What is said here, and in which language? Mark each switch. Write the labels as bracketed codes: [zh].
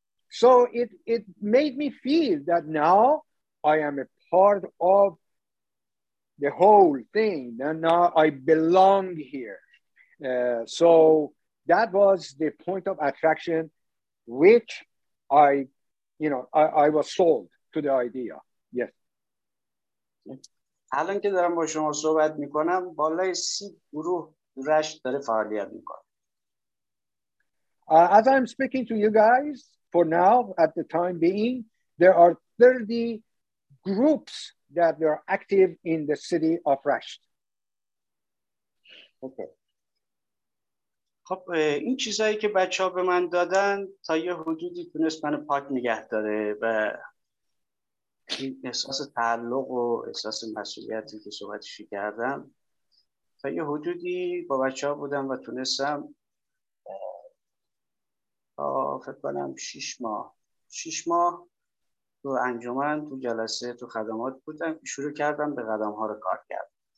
[en] So it made me feel that now I am a part of the whole thing. And now I belong here. So that was the point of attraction, which I was sold. To the idea. Yes. [fa] حالا که دارم با شما صحبت میکنم بالای 30 گروه رشت داره فعالیت میکنه. [en] As I'm speaking to you guys, for now, at the time being, there are 30 groups that are active in the city of Rasht. Okay. [fa] خب این چیزایی که بچه ها به من دادن تا یه حدودی تونست منو پاک نگه داره و احساس تعلق و احساس مسئولیتی که صحبتش کردم تا یه حدودی با بچه ها بودم و تونستم فکر کنم شیش ماه تو انجمن، تو جلسه، تو خدمات بودم، شروع کردم به قدم ها رو کار کرد.